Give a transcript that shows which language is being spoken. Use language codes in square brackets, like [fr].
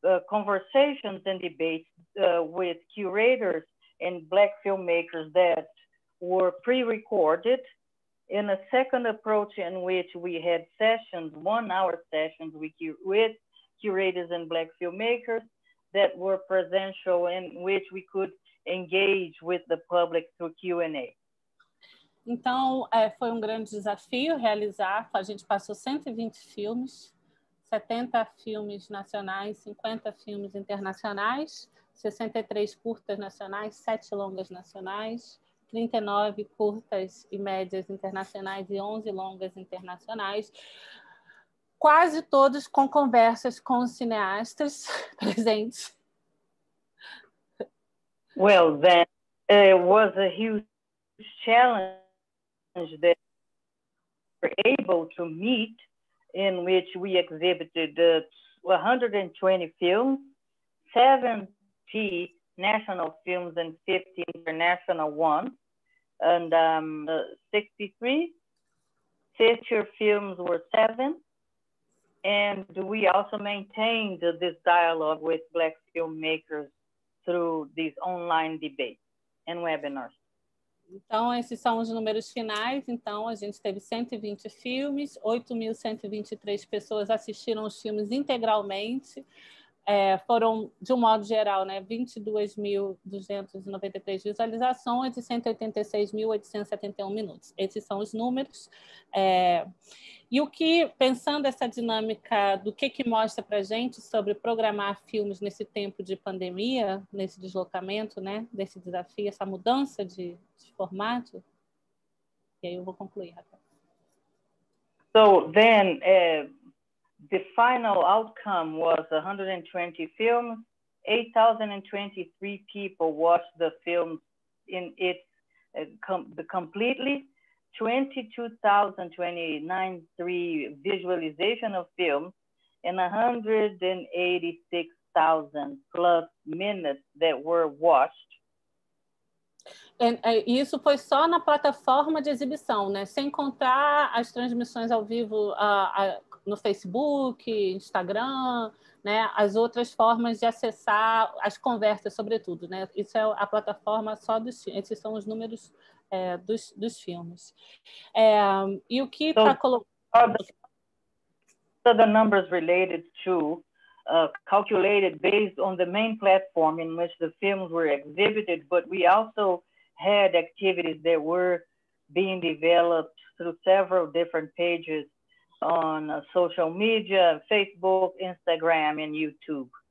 [en] Conversations and debates with curators and Black filmmakers that were pre-recorded, in a second approach in which we had sessions, 1 hour sessions with curators and Black filmmakers that were presential, in which we could engage with the public through Q&A. [pt] Então, foi grande desafio realizar. A gente passou 120 filmes, 70 filmes nacionais, 50 filmes internacionais, 63 curtas nacionais, 7 longas nacionais, 39 curtas e médias internacionais e 11 longas internacionais, quase todos com conversas com cineastas presentes. [en] Well, then, it was a huge challenge that we were able to meet, in which we exhibited 120 films, 70 national films and 50 international ones. And 63 feature films were 7. And we also maintained this dialogue with Black filmmakers through these online debates and webinars. [pt] Então, esses são os números finais. Então, a gente teve 120 filmes, 8.123 pessoas assistiram os filmes integralmente. Foram, de um modo geral, né, 22.293 visualizações e 186.871 minutos. Esses são os números. E o que, pensando essa dinâmica do que mostra para a gente sobre programar filmes nesse tempo de pandemia, nesse deslocamento, né, desse desafio, essa mudança de formato? E aí eu vou concluir. [en] So then, the final outcome was 120 films, 8,023 people watched the film in its completely, 22,293 visualization of films, and 186,000 plus minutes that were watched. [pt] E isso foi só na plataforma de exibição, né? Sem contar as transmissões ao vivo no Facebook, Instagram, né? As outras formas de acessar as conversas, sobretudo, né? Isso é a plataforma só dos filmes. Esses são os números dos filmes. E o que está colocado? [en] So the numbers related to calculated based on the main platform in which the films were exhibited, but we also had activities that were being developed through several different pages on social media, Facebook, Instagram, and YouTube.